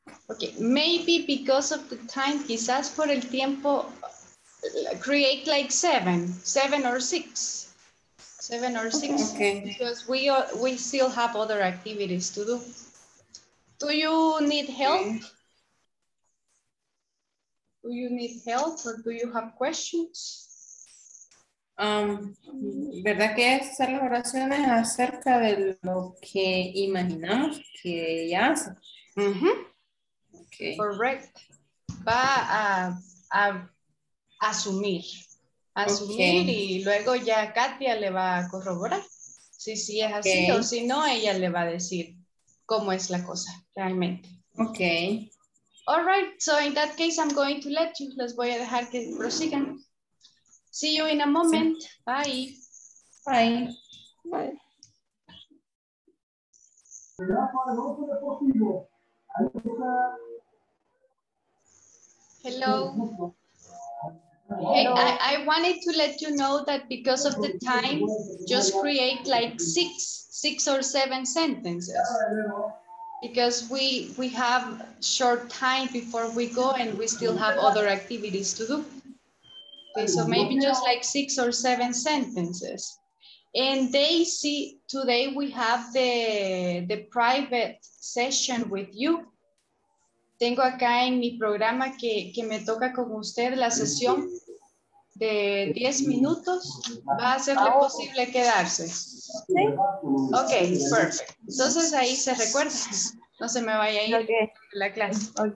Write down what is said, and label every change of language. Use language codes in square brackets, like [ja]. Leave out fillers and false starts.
[en] Okay, maybe because of the time, [es] quizás por el tiempo, [en] create like seven or six. Seven or six, okay. Because we still have other activities to do. Do you need help? Okay. Do you need help or do you have questions? [es] ¿Verdad que estas son las oraciones acerca de lo que imaginamos que ella hace? Okay. [en] Correct. [es] Va a asumir. Asumir, okay. Y luego ya Katia le va a corroborar si sí es así, okay. O si no, ella le va a decir cómo es la cosa realmente. [en] Ok. All right, so in that case, I'm going to let you. [es] Les voy a dejar que prosigan. [en] See you in a moment. [es] Sí. Bye. [en] Bye. Bye. Hello. Hey, I wanted to let you know that because of the time, just create like six or seven sentences. Because we have short time before we go and we still have other activities to do. Okay, so maybe just like six or seven sentences. And Daisy, today we have the private session with you. [es] Tengo acá en mi programa que me toca con usted la sesión de 10 minutos. Va a ser posible quedarse. ¿Sí? Ok, perfecto. Entonces ahí se recuerda. No se me vaya a ir la clase.